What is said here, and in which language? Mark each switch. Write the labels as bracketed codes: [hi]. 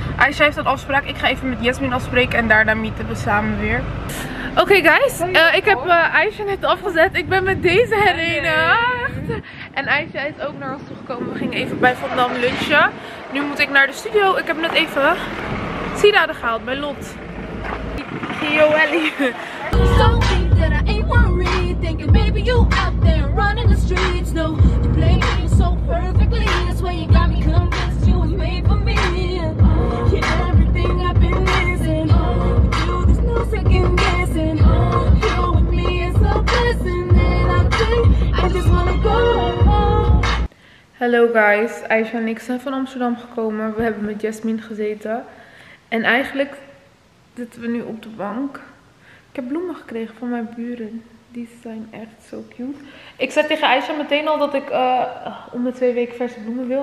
[nl] Aisha heeft een afspraak, ik ga even met Jasmine afspreken en daarna meeten we samen weer. Oké, guys, ik heb Aisha net afgezet. Ik ben met deze herenigd. En Aisha is ook naar ons toegekomen. We gingen even bij Van Dam lunchen. Nu moet ik naar de studio. Ik heb net even sieraden gehaald bij Lot. Gio Ellie. [en] Something that I ain't worried. Thinking maybe you out there running the streets. No, you play games. so perfectly. That's why you got me convinced you was made for me. You're everything I've been missing. With you, there's no second guessing. You're with me, it's a blessing. And I think I just wanna go. [nl] Hallo guys, Aisha en ik zijn van Amsterdam gekomen. We hebben met Jasmine gezeten. En eigenlijk zitten we nu op de bank. Ik heb bloemen gekregen van mijn buren. Die zijn echt zo cute. Ik zei tegen Aisha meteen al dat ik om de 2 weken verse bloemen wil.